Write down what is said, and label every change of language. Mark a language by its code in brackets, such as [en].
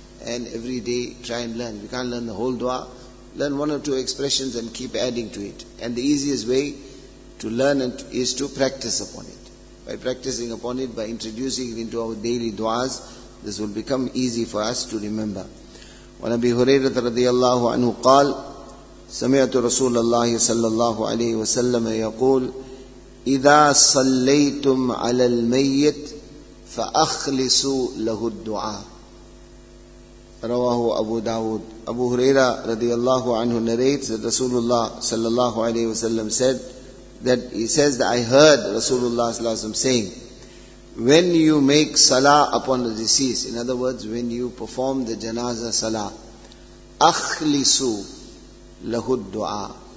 [en] And every day try and learn. We can't learn the whole du'a. Learn one or two expressions and keep adding to it. And the easiest way to learn is to practice upon it. By practicing upon it, by introducing it into our daily du'as, this will become easy for us to remember. [ar] One of Abi Hurairah radiallahu anhu qal, سمعت رسول الله صلى الله عليه وسلم يقول إذا صليتم على الميت فأخلصوا له الدعاء. رواه أبو داود. [en] أبو هريرة رضي الله عنه narrates that رسول الله صلى الله عليه وسلم said that he says that I heard رسول الله صلى الله عليه وسلم saying when you make salah upon the deceased, in other words when you perform the janaza salah, [ar] أخلصوا لَهُ الدُّعَى.